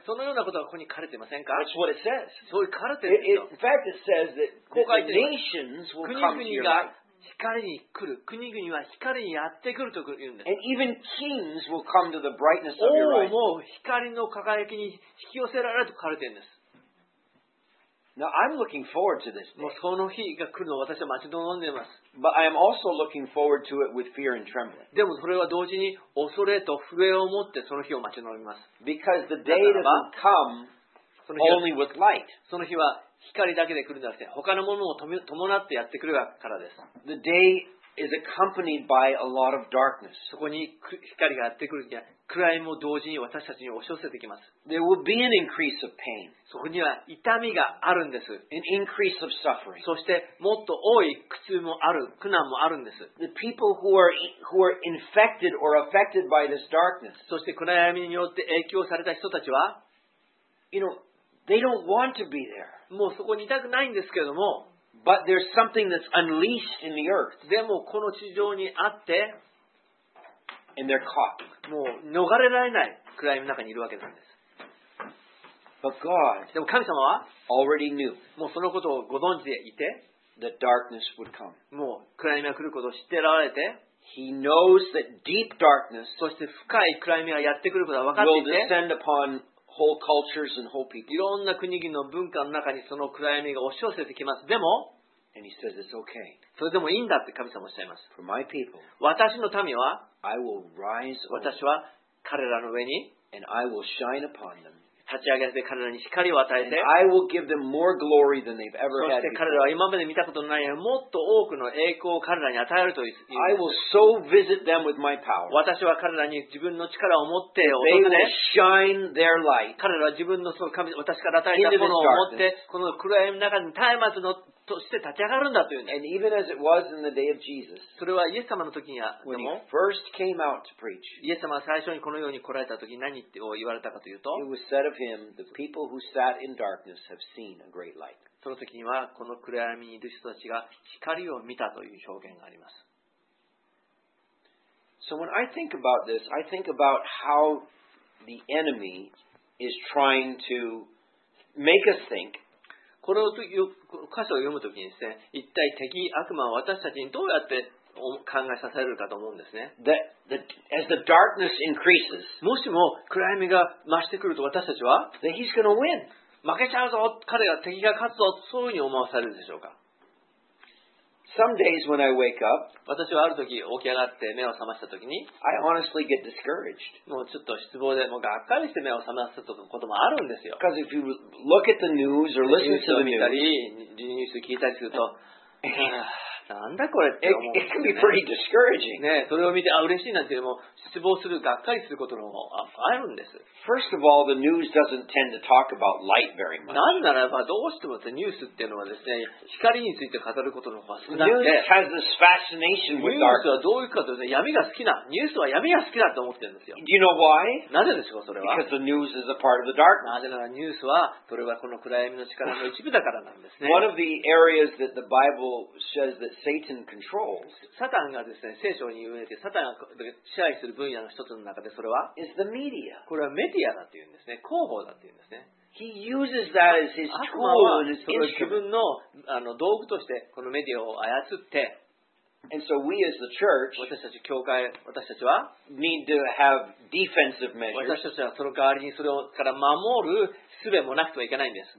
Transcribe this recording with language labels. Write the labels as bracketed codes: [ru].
[ja] そのようなことがここに書かれていませんか？ [en] That's what it says. [ja] そういう書かれてるんですよ。 [en] In fact, it says that the nations will come here. [ja] 国々が光に来る。国々は光にやってくると言うんです。 [en] And even kings will come to the brightness of your light. [ja] もう光の輝きに引き寄せられると書かれてるんです。 [en] Now I'm looking forward to this. [ja] もうその日が来るのを私は待ち望んでいます。 [en] But I am also looking forward to it with fear and trembling. [ja] でもそれは同時に恐れと震えを持ってその日を待ち望みます。 [en] Because the day doesn't come only with light. [ja] その日は光だけで来るんじゃなくて他のものを伴ってやってくるからです。 [en] The day is accompanied by a lot of darkness. [ja] そこに光がやってくるんじゃ。暗闇も同時に私たちに押し寄せてきます。 [en] There will be an increase of pain. [ja] そこには痛みがあるんです。 [en] An increase of suffering. [ja] そしてもっと多い苦痛もある、苦難もあるんです。 [en] The people who are infected or affected by this darkness. [ja] そして暗闇によって影響された人たちは、 [en] you know, they don't want to be there. [ja] もうそこにいたくないんですけれども、 [en] but there's something that's unleashed in the earth. [ja] でもこの地上にあって、 [en] And they're caught. [ja] もう逃れられない暗闇の中にいるわけなんです。 [en] But God, [ja] でも神様は [en] already knew. [ja] もうそのことをご存知でいて、 [en] that darkness would come. [ja] もう暗闇が来ることを知ってられて、 [en] He knows that deep darkness, [ja] そして深い暗闇がやってくることが分かっていて、 [en] will descend upon whole cultures and whole people. [ja] いろんな国々の文化の中にその暗闇が押し寄せてきます。でも、 [en] And he says it's okay. [ja] それでもいいんだって神様おっしゃいます。 [en] For my people, [ja] 私の民は、 [en] I will rise over, [ja] 私は彼らの上に、 [en] and I will shine upon them, [ja] 立ち上げて彼らに光を与えて、 [en] I will give them more glory than they've ever had。 [ja] そして彼らは今まで見たことのないもっと多くの栄光を彼らに与えるという。 [en] I will so visit them with my power。 [ja] 私は彼らに自分の力を持って訪れ、 [en] they will shine their light。 [ja] 彼らは自分のその神、私から与えたものを持って、この暗闇の中に松明のとして立ち上がるんだというね。 [en] And even as it was in the day of Jesus。 [ja] それはイエス様の時にはでも、 [en] when he first came out to preach。 [ja] イエス様は最初にこのように来られた時に何を言われたかというと、 [en] it was said of him, the people who sat in darkness have seen a great light。 [ja] その時にはこの暗闇にいる人たちが光を見たという証言があります。 [en] So when I think about this, I think about how the enemy is trying to make us think。 [ja] これを歌詞を読むときにですね、一体敵、悪魔は私たちにどうやって考えさせるかと思うんですね。 [en] As the darkness increases, [ja] もしも暗闇が増してくると私たちは、 [en] that he's gonna win. [ja] 負けちゃうぞ、彼が敵が勝つぞ、そういうふうに思わされるでしょうか。 [en] Some days when I wake up, [ja] 私はあるとき起き上がって目を覚ましたときに、 [en] I honestly get discouraged. [ja] もうちょっと失望で、もうがっかりして目を覚ましたこともあるんですよ。 [en] Because if you look at the news or listen to the news, [ja] ニュース聞いたりすると、なんだこれって思う、 [en] ね。It can be pretty discouraging. [ja] ね、それを見て、あ、嬉しいなんていうのも、失望する、がっかりすることのもあるんです。 [en] First of all, the news doesn't tend to talk about light very much. [ja] なんならば、どうしてもってニュースっていうのはですね、光について語ることの方が少なくて。 [en] News has this fascination with dark. [ja] ニュースはどういうかというと、闇が好きな。ニュースは闇が好きだと思ってるんですよ。 [en] Do you know why? [ja] なぜですか、それは。 [en] Because the news is a part of the darkness. [ja] なぜならニュースは、それはこの暗闇の力の一部だからなんですね。 [en] One of the areas that the Bible says thatSatan controls. [ja] サタンがですね、聖書に言われて、サタンが支配する分野の一つの中で、それは [en] is the media. [ja] これはメディアだっていうんですね、広報だっていうんですね。 [en] He uses that as his tool and his instrument. [ja] 自分の道具としてこのメディアを操って。 [en] And so we as the church, [ja] 私たち教会、私たちは [en] need to have defensive measures. [ja] 私たちはその代わりにそれから守る術もなくてはいけないんです。